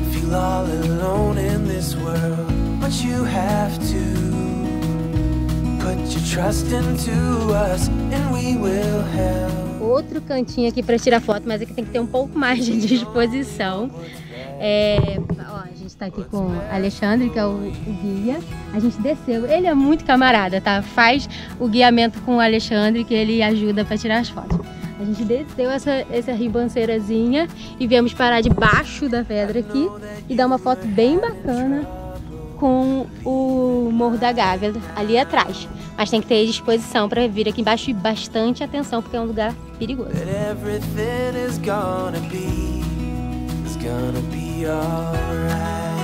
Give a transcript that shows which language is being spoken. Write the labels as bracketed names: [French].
[English] All alone in this world, but you have to put your trust into us and we will help. [Portuguese] Outro cantinho aqui para tirar foto, mas aqui tem que ter um pouco mais de disposição. É, ó, a gente tá aqui com o Alexandre, que é o guia. A gente desceu. Ele é muito camarada, tá? Faz o guiamento com o Alexandre, que ele ajuda para tirar as fotos. A gente desceu essa ribanceirazinha e viemos parar debaixo da pedra aqui e dar uma foto bem bacana com o Morro da Gávea ali atrás. Mas tem que ter disposição para vir aqui embaixo e bastante atenção, porque é um lugar perigoso. [English] But everything is gonna be, it's gonna be alright.